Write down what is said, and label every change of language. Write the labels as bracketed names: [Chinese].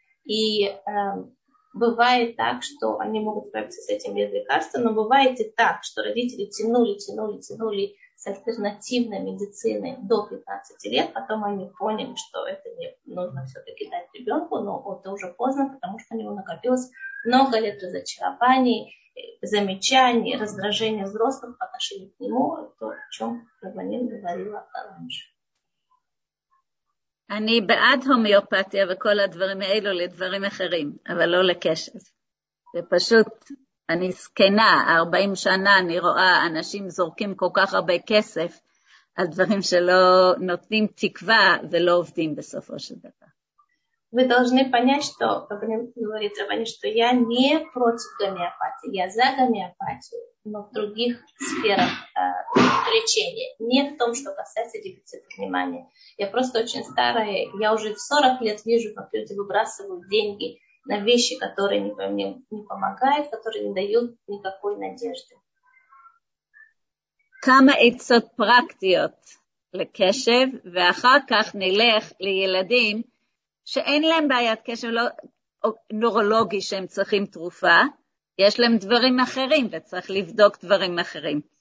[Russian] И бывает так, что они могут справиться с этим без лекарства, но бывает и так, что родители тянули с альтернативной медициной до 15 лет, потом они поняли, что это не нужно все-таки дать ребенку, но это уже поздно, потому что у него накопилось много лет разочарований, замечаний, раздражения взрослых по отношению к нему, то, о чем Рабанин говорила раньше. [Hebrew] אני בעד הומיאופתיה וכל הדברים האלו לדברים אחרים, אבל לא לקשב. זה פשוט, אני זקנה, 40 שנה אני רואה אנשים זורקים כל כך הרבה כסף על דברים שלא נותנים תקווה ולא עובדים בסופו של דבר. [Russian] Вы должны понять, что, как мне говорит Рабанин, что я не против гомеопатии, я за гомеопатию, но в других сферах лечения, не в том, что касается дефицита внимания. Я просто очень старая, я уже 40 лет вижу, как люди выбрасывают деньги на вещи, которые мне не помогают, которые не дают никакой надежды. [Hebrew] Кама эйцот практиот лекешев, ואחר כך נלך לילדים, שאין להם בעיית קשב נורולוגי שהם צריכים תרופה, יש להם דברים אחרים וצריך לבדוק דברים אחרים.